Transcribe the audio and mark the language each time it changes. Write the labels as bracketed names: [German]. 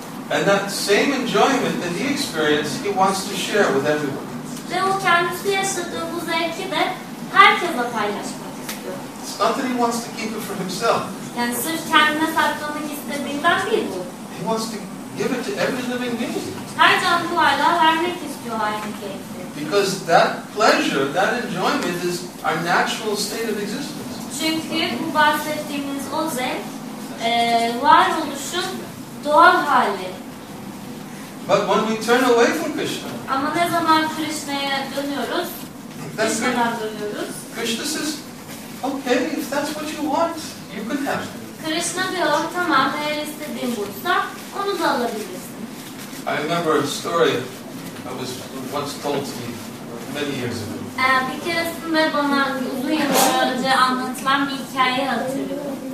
[English] and that same enjoyment that he experienced, he wants to share with everyone. [Turkish] Ve o kendisi yaşadığı bu zevki de herkesle paylaşmak istiyor. [English] It's not that he wants to keep it for himself. [Turkish] Yani sırf kendine saklamak istediğinden değil bu. [English] He wants to give it to every living being. [Turkish] Her canlı varlığa vermek istiyor aynı keyfi. [English] Because that pleasure, that enjoyment is our natural state of existence. [Turkish] Çünkü bu bahsettiğimiz o zevk, varoluşun doğal hali. [English] But when we turn away from Krishna, [Turkish] ama ne zaman Krishna'ya dönüyoruz, Krishna'dan dönüyoruz. [English] Krishna says, okay, if that's what you want, you can have it. [Turkish] Krishna diyor, tamam, eğer istediğin buysa, onu da alabilirsin. [English] I remember a story I was once told to me many years ago. [Turkish] Bir keresinde bana uzun yıllar önce anlatılan bir hikayeyi hatırlıyorum.